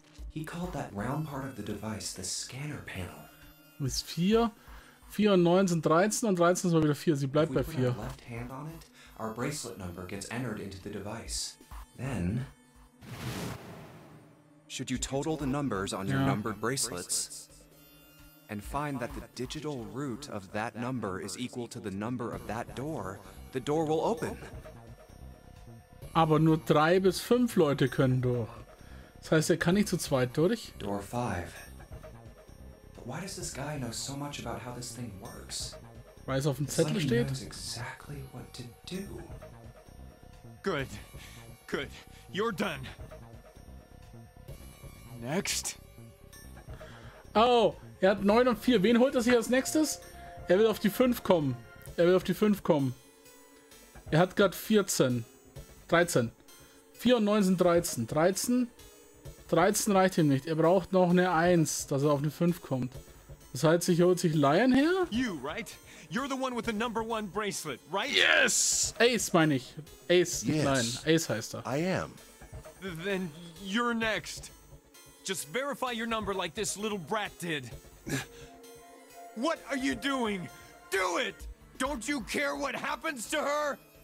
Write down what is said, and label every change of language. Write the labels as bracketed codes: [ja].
[en] He called that round part of the device the scanner panel. [de] Mit 4. 4 und 9 sind 13 und 13 ist mal wieder 4, sie bleibt bei 4. [en] Our bracelet number gets entered into the device. Then, should you total the numbers on your numbered bracelets and find that the digital root of that number is equal to the number of that door, the door will open. [de] Aber nur 3 bis 5 Leute können durch. Das heißt, er kann nicht zu zweit durch. [en] Door 5. But why does this guy know so much about how this thing works? [de] Weil es auf dem Zettel steht. [en] Exactly what to do. Good. Good. You're done. Next. [de] Oh, er hat 9 und 4. Wen holt er sich als nächstes? Er will auf die 5 kommen. Er will auf die 5 kommen. Er hat gerade 14. 13. 4 und 9 sind 13. 13. 13 reicht ihm nicht. Er braucht noch eine 1, dass er auf eine 5 kommt. Das heißt, er holt sich Lion her? [en] You, right? You're the one with the number one bracelet, right? Yes! [de] Ace, meine ich. Ace, yes. Nein. Ace heißt er. [en] I am. Then you're next. Just verify your number like this little brat did. What are you doing? Do it! Don't you care what happens to her?